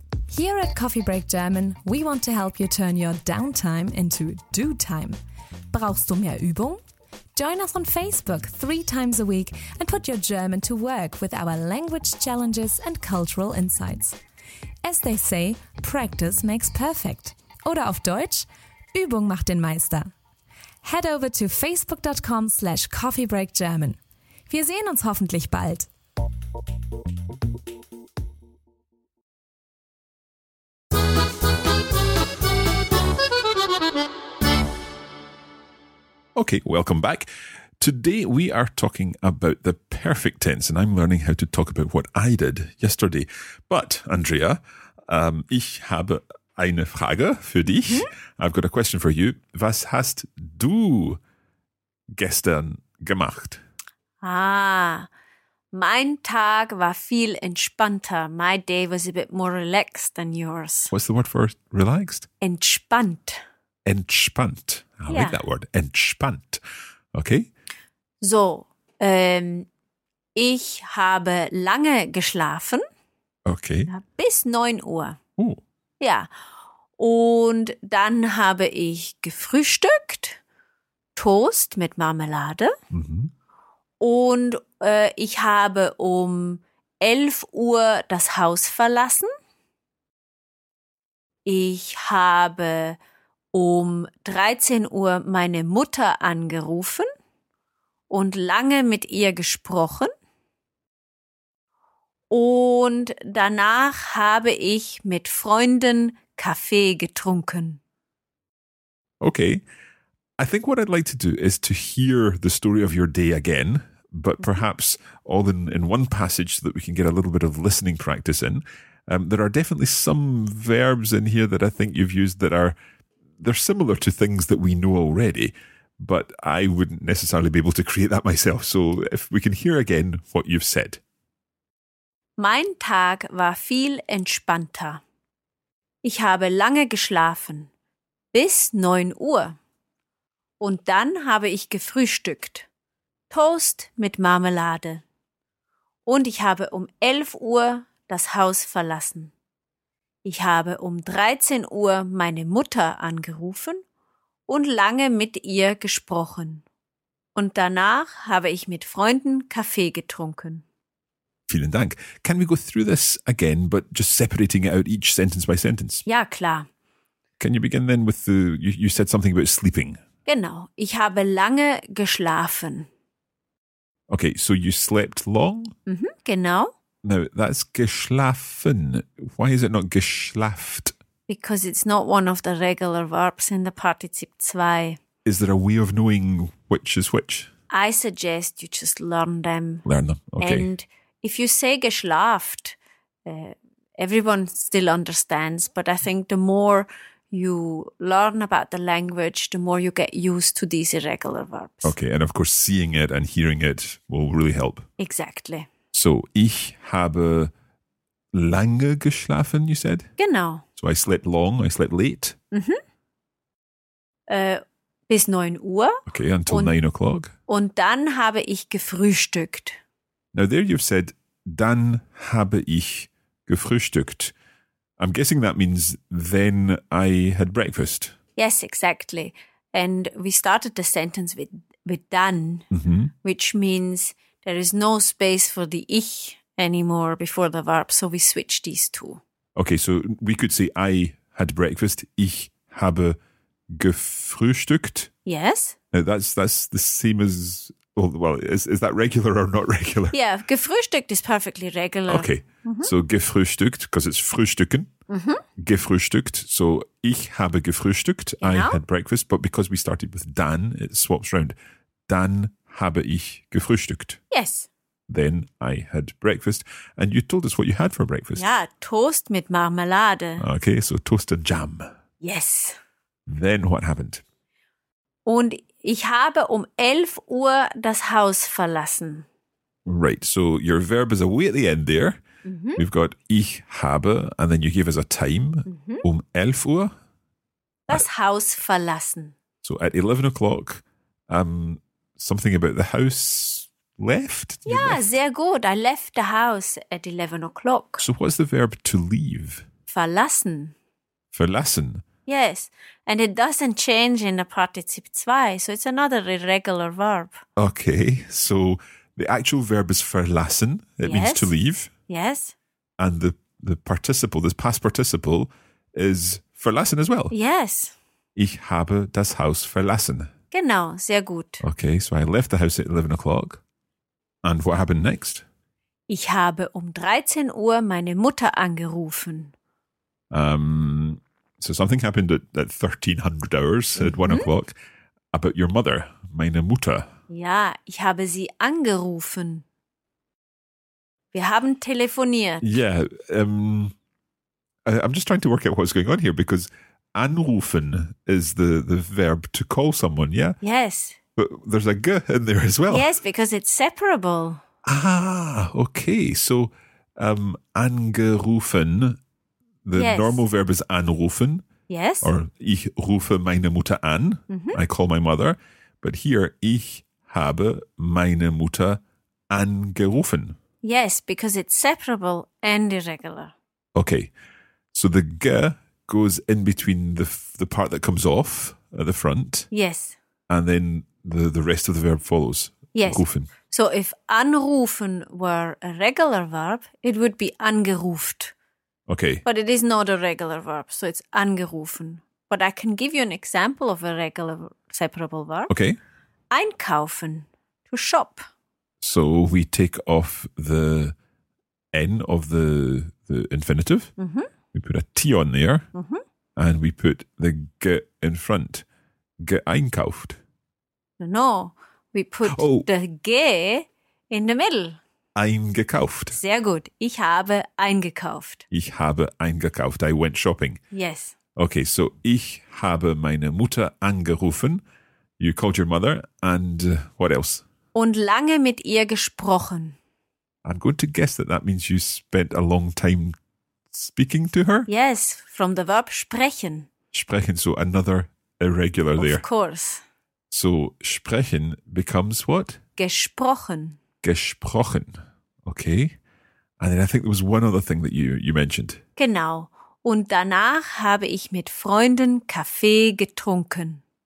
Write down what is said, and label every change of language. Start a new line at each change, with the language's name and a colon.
English: Here at Coffee Break German, we want to help you turn your downtime into do time.
German: Brauchst du mehr Übung?
English: Join us on Facebook 3 times a week and put your German to work with our language challenges and cultural insights. As they say, practice makes perfect.
German: Oder auf Deutsch, Übung macht den Meister.
English: Head over to facebook.com/coffeebreakgerman.
German: Wir sehen uns hoffentlich bald.
English: Okay, welcome back. Today we are talking about the perfect tense, and I'm learning how to talk about what I did yesterday.
German: But, Andrea, ich habe eine Frage für dich. Mm-hmm.
English: I've got a question for you.
German: Was hast du gestern gemacht? Ah, mein Tag war viel entspannter.
English: My day was a bit more relaxed than yours. What's the word for relaxed?
German: Entspannt.
English: Entspannt. I like that word. Entspannt. Okay.
German: So, ich habe lange geschlafen. Okay. Bis 9 Uhr. Oh. Ja. Und dann habe ich gefrühstückt, Toast mit Marmelade. Mhm. Und ich habe um 11 Uhr das Haus verlassen. Ich habe um 13 Uhr meine Mutter angerufen und lange mit ihr gesprochen. Und danach habe ich mit Freunden Kaffee getrunken. Okay.
English: I think what I'd like to do is to hear the story of your day again, but perhaps all in one passage so that we can get a little bit of listening practice in. There are definitely some verbs in here that I think you've used that are, they're similar to things that we know already, but I wouldn't necessarily be able to create that myself. So if we can hear again what you've said.
German: Mein Tag war viel entspannter. Ich habe lange geschlafen, bis 9 Uhr. Und dann habe ich gefrühstückt, Toast mit Marmelade. Und ich habe um 11 Uhr das Haus verlassen. Ich habe um 13 Uhr meine Mutter angerufen und lange mit ihr gesprochen. Und danach habe ich mit Freunden Kaffee getrunken. Vielen Dank.
English: Can we go through this again, but just separating it out each sentence by sentence?
German: Ja, klar.
English: Can you begin then with you said something about sleeping.
German: Genau. Ich habe lange geschlafen.
English: Okay, so you slept long?
German: Mhm, genau.
English: Now, that's geschlafen. Why is it not geschlaft? Because it's not one of the regular verbs in the Partizip 2. Is there a way of knowing which is which? I suggest you just learn them. Learn them, okay. And if you say geschlaft, everyone still understands. But I think the more you learn about the language, the more you get used to these irregular verbs. Okay, and of course, seeing it and hearing it will really help. Exactly.
German: So, ich habe lange geschlafen,
English: you said?
German: Genau.
English: So, I slept long, I slept late. Mm-hmm.
German: Bis 9 Uhr.
English: Okay, until 9 o'clock.
German: Und dann habe ich gefrühstückt.
English: Now, there you've said,
German: dann habe ich gefrühstückt.
English: I'm guessing that means then I had breakfast. Yes, exactly. And we started the sentence with dann, mm-hmm. which means there is no space for the ich anymore before the verb, so we switch these two. Okay, so we could say I had breakfast,
German: ich habe gefrühstückt.
English: Yes. Now that's the same as, well, is that regular or not regular? Yeah, gefrühstückt is perfectly regular. Okay, mm-hmm. So gefrühstückt, because it's frühstücken. Mm-hmm.
German: Gefrühstückt, so ich habe gefrühstückt, genau.
English: I had breakfast, but because we started with dann, it swaps round.
German: Dann habe ich gefrühstückt.
English: Yes. Then I had breakfast. And you told us what you had for breakfast.
German: Ja, Toast mit Marmelade.
English: Okay, so Toast and Jam. Yes. Then what happened?
German: Und ich habe um 11 Uhr das Haus verlassen.
English: Right, so your verb is away at the end there. Mm-hmm. We've got ich habe, and then you give us a time. Mm-hmm.
German: Um 11 Uhr. Das Haus verlassen.
English: So at 11 o'clock, something about the house left?
German: Yeah, sehr gut.
English: I left the house at 11 o'clock. So what's the verb to leave?
German: Verlassen. Verlassen.
English: Yes. And it doesn't change in the Partizip 2, so it's another irregular verb. Okay. So the actual verb is verlassen. It yes. means to leave. Yes. And the participle, this past participle, is verlassen as well. Yes.
German: Ich habe das Haus verlassen. Genau, sehr gut.
English: Okay, so I left the house at 11 o'clock. And what happened next?
German: Ich habe um 13 Uhr meine Mutter angerufen.
English: So something happened at 1300 hours, mm-hmm. at 1 o'clock, about your mother,
German: meine Mutter. Ja, ich habe sie angerufen. Wir haben telefoniert.
English: Yeah, I'm just trying to work out what's going on here, because anrufen is the verb to call someone, yeah? Yes. But there's a g in there as well. Yes, because it's separable. Ah, okay. So angerufen, the yes. normal verb is anrufen. Yes.
German: Or ich rufe meine Mutter an. Mm-hmm.
English: I call my mother. But here,
German: ich habe meine Mutter angerufen.
English: Yes, because it's separable and irregular. Okay. So the g goes in between the part that comes off at the front. Yes. And then the rest of the verb follows. Yes. Rufen. So if anrufen were a regular verb, it would be angeruft. Okay. But it is not a regular verb, so it's angerufen. But I can give you an example of a regular separable verb. Okay. Einkaufen, to shop. So we take off the N of the infinitive. Mm-hmm. We put a T on there. Mm-hmm. And we put the G in front. Geinkauft. No, we put the G in the middle.
German: Eingekauft. Sehr gut. Ich habe eingekauft. Ich habe eingekauft.
English: I went shopping. Yes.
German: Okay, so ich habe meine Mutter angerufen.
English: You called your mother. And what else?
German: Und lange mit ihr gesprochen.
English: I'm going to guess that means you spent a long time speaking to her. Yes, from the verb sprechen. Sprechen, so another irregular there. Of course. So sprechen becomes what?
German: Gesprochen. Gesprochen. Okay.
English: And then I think there was one other thing that you mentioned.
German: Genau. Und danach habe ich mit Freunden Kaffee getrunken.